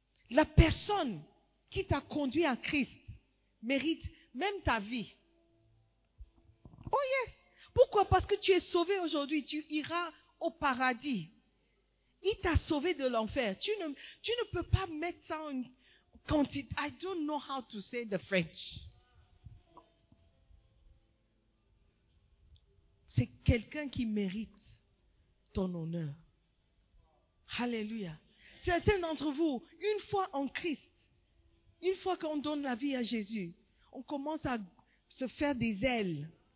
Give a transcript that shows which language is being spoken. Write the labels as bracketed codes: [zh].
[fr] La personne qui t'a conduit à Christ mérite même ta vie. [en] Oh yes! [fr] Pourquoi? Parce que tu es sauvé aujourd'hui, tu iras au paradis. Il t'a sauvé de l'enfer. Tu ne peux pas mettre ça en quantité. [en] I don't know how to say the French. [fr] C'est quelqu'un qui mérite ton honneur. Alléluia. Certains d'entre vous, une fois en Christ, une fois qu'on donne la vie à Jésus, on commence à se faire des ailes.